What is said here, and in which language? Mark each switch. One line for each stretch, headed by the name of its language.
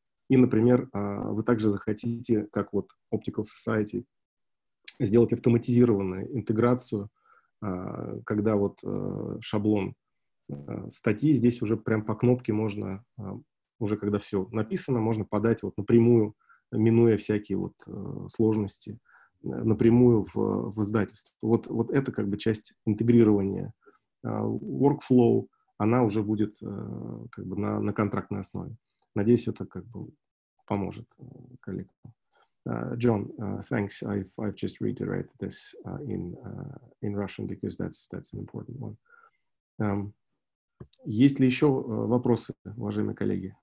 Russian: И, например, вы также захотите, как вот Optical Society, сделать автоматизированную интеграцию, когда вот шаблон статьи, здесь уже прям по кнопке можно, уже когда все написано, можно подать вот напрямую, минуя всякие вот сложности, напрямую в издательство. Вот это как бы часть интегрирования. Workflow, она уже будет как бы на контрактной основе. Надеюсь, это как бы поможет коллегам.
English: John, thanks. I've just reiterated this in Russian because that's an important one.
Russian: Есть ли еще вопросы, уважаемые коллеги?